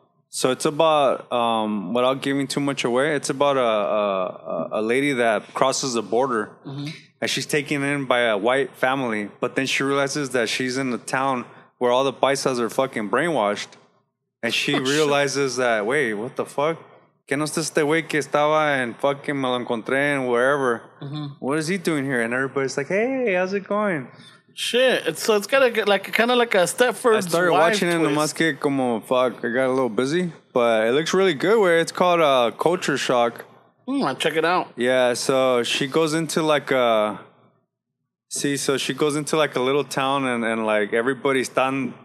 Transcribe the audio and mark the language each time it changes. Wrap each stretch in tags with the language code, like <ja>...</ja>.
<en>So it's about, without giving too much away, it's about a lady that crosses the border, mm-hmm. and she's taken in by a white family. But then she realizes that she's in a town where all the paisas are fucking brainwashed. And she realizes that, wait, what the fuck?</en> <es>Que no está este güey que estaba en</es> <en>fucking</en> <es>me lo encontré en</es> <en>wherever. Mm-hmm. What is he doing here? And everybody's like, hey, how's it going? Shit, so it's kind of like a Stepford's Wife. I started watching it in the musket,</en> <es>como</es> <en>fuck, I got a little busy, but it looks really good. Where it's called Culture Shock. I'll check it out. Yeah, so she goes into like a so she goes into a little town, and like everybody's done.</en>